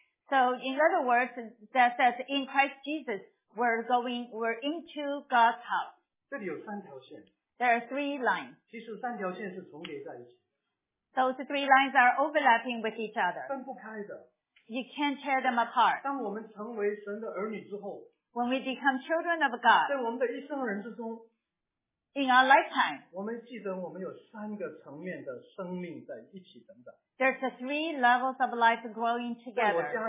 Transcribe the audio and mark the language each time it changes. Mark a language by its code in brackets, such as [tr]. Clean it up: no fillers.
[en] so in other words, that says in Christ Jesus, we're into God's house. [zh] 这里有三条线, [en] there are three lines. [zh] 其实三条线是重叠在一起, [en] those three lines are overlapping with each other. [zh] 分不开的, [en] you can't tear them apart. When we become children of God, in our lifetime, there's three levels of life growing together.